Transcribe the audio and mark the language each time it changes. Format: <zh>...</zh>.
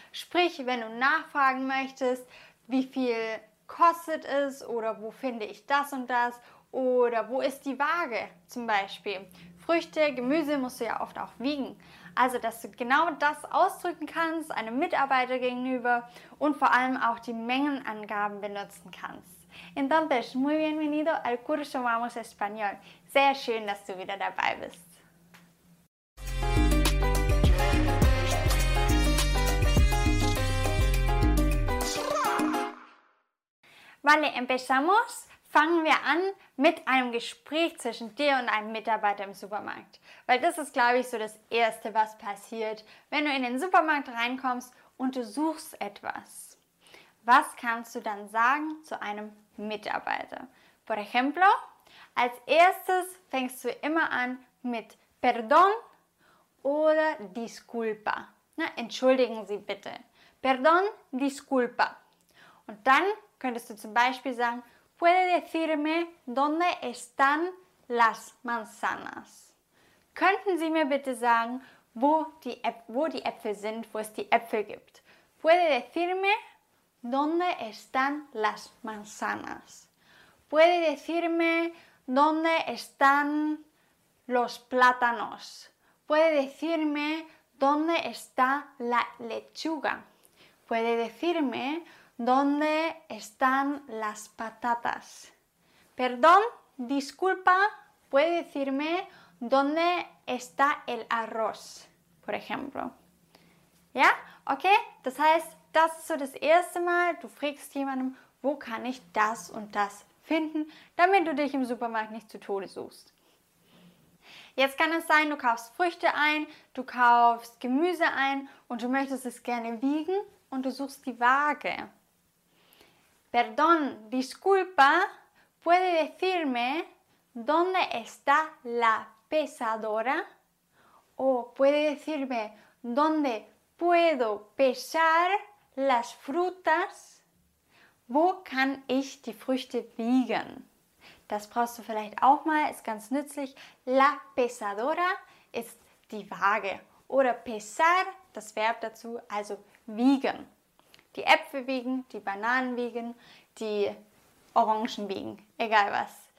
<de>Sprich, wenn du nachfragen möchtest, wie viel kostet es oder wo finde ich das und das oder wo ist die Waage zum Beispiel. Früchte, Gemüse musst du ja oft auch wiegen. Also, dass du genau das ausdrücken kannst, einem Mitarbeiter gegenüber und vor allem auch die Mengenangaben benutzen kannst.</de> <es>Entonces, muy bienvenido al curso Vamos Español.</es> <de>Sehr schön, dass du wieder dabei bist.</de> <es>Vale, empezamos.</es> <de>Fangen wir an mit einem Gespräch zwischen dir und einem Mitarbeiter im Supermarkt. Weil das ist, glaube ich, so das Erste, was passiert, wenn du in den Supermarkt reinkommst und du suchst etwas. Was kannst du dann sagen zu einem Mitarbeiter?</de> <es>Por ejemplo,</es> <de>als erstes fängst du immer an mit Perdón oder Disculpa. Na, entschuldigen Sie bitte.</de> <es>Perdón, Disculpa.</es> <de>Und dann könntest du zum Beispiel sagen,</de> <es>¿Puede decirme dónde están las manzanas?</es> <de>Könnten Sie mir bitte sagen, wo die Äpfel sind, wo es die Äpfel gibt?</de> <es>¿Puede decirme dónde están las manzanas? ¿Puede decirme dónde están los plátanos? ¿Puede decirme dónde está la lechuga? ¿Puede decirme dónde están las patatas? Perdón, disculpa, ¿puede decirme dónde está el arroz? Por ejemplo. ¿Ya? ¿Ok?</es> <de>Das heißt, das ist so das erste Mal, du fragst jemandem, wo kann ich das und das finden, damit du dich im Supermarkt nicht zu Tode suchst. Jetzt kann es sein, du kaufst Früchte ein, du kaufst Gemüse ein und du möchtest es gerne wiegen und du suchst die Waage.</de> <es>Perdón, disculpa, ¿puede decirme dónde está la pesadora? ¿O puede decirme dónde puedo pesar las frutas?</es> <de>¿Wo kann ich die Früchte wiegen? Das brauchst du vielleicht auch mal, ist ganz nützlich. La pesadora ist die Waage. Oder pesar, das Verb dazu, also wiegen. Die Äpfel wiegen, die Bananen wiegen, die Orangen wiegen, egal was.</de>